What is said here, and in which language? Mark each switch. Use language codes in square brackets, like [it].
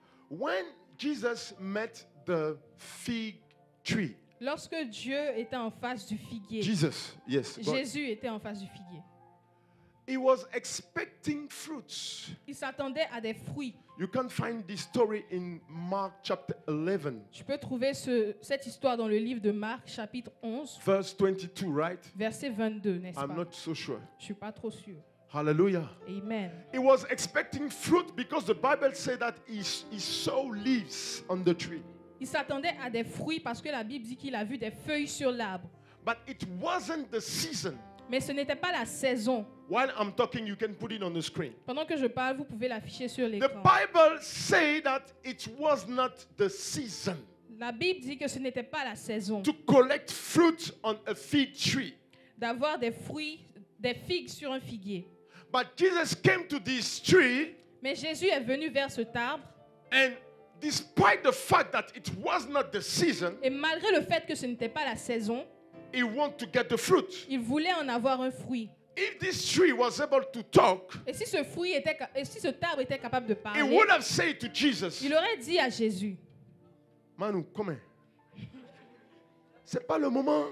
[en] When Jesus met the fig tree. [fr] Lorsque Dieu était en face du figuier. [en] Jesus, yes. [fr] Jésus était en face du figuier. [en] He was expecting fruits. [fr] Il s'attendait à des fruits. [en] You can find this story in Mark chapter 11. [fr] Tu peux trouver cette histoire dans le livre de Marc chapitre 11. [en] Verse 22, right? [fr] Verset 22, n'est-ce pas? [en] I'm not so sure. [fr] Je suis pas trop sûr. Hallelujah. Amen. [en] He was expecting fruit because the Bible said that he saw leaves on the tree. [fr] Il s'attendait à des fruits parce que la Bible dit qu'il a vu des feuilles sur l'arbre. [en] But it wasn't the season. [fr] Mais ce n'était pas la saison. [en] While I'm talking, you can put it on the screen. [fr] Pendant que je parle, vous pouvez l'afficher sur l'écran. [en] The Bible said that it was not the season. [fr] La Bible dit que ce n'était pas la saison. [en] To collect fruit on a fig tree. [fr] D'avoir des fruits. Des figues sur un figuier. [en] But Jesus came to this tree, [fr] mais Jésus est venu vers cet arbre. [en] And despite the fact that it was not the season, [fr] et malgré le fait que ce n'était pas la saison, [en] he wanted to get the fruit. [fr] Il voulait en avoir un fruit. [en] If this tree was able to talk, [fr] et si ce arbre était capable de parler, [en] he would have said to Jesus, [fr] il aurait dit à Jésus, Manu, comment? C'est pas le moment.